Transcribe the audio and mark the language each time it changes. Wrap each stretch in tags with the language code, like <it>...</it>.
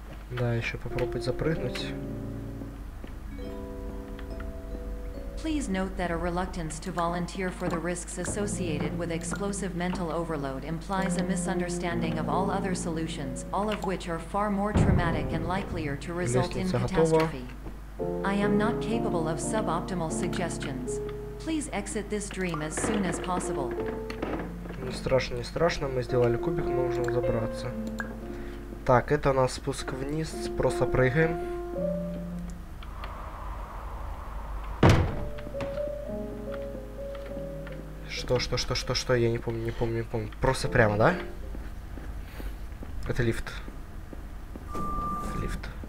<ru>Да, еще попробовать запрыгнуть.</ru> <en>Please note that a reluctance to volunteer for the risks associated with explosive mental overload implies a misunderstanding of all other solutions, all of which are far more traumatic and likelier to result in catastrophe. I am not capable of suboptimal suggestions. Please exit this dream as soon as possible.</en> <ru>Не страшно, не страшно, мы сделали кубик, мы можем забраться. Так, это у нас спуск вниз, просто прыгаем. Что, я не помню. Просто прямо, да? Это лифт. Лифт.</ru>